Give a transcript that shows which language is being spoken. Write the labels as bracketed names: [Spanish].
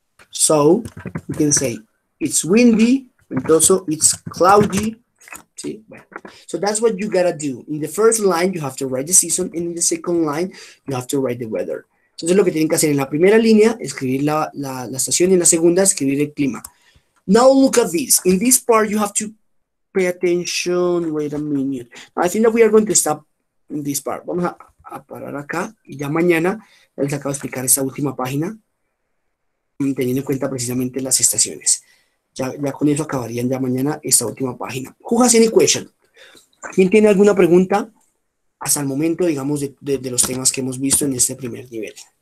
[English] So, you can say, it's windy, and also it's cloudy. [Spanish] ¿Sí? Bueno. [English] So that's what you gotta do. In the first line, you have to write the season, and in the second line, you have to write the weather. [Spanish] Entonces, lo que tienen que hacer en la primera línea, escribir la estación, y en la segunda, escribir el clima. [English] Now look at this. In this part, you have to pay attention. Wait a minute. I think that we are going to stop in this part. [Spanish] Vamos a parar acá, y ya mañana les acabo de explicar esta última página. Teniendo en cuenta precisamente las estaciones. Ya con eso acabarían ya mañana esta última página. [English] Who has any question? [Spanish] ¿Quién tiene alguna pregunta hasta el momento, digamos, de los temas que hemos visto en este primer nivel?